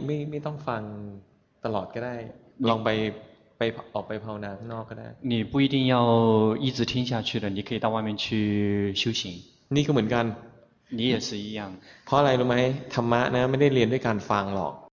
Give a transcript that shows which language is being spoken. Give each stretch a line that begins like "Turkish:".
Thai: ไม่ต้องฟังตลอดก็ได้ลองไปออกไปภาวนาข้างนอกก็ได้
Chinese: 你不一定要一直听下去的你可以到外面去修行
Thai: นี่ก็เหมือนกัน
Chinese: 你也是一样
Thai: เพราะอะไรรู้ไหมธรรมะนะไม่ได้เรียนด้วยการฟังหรอก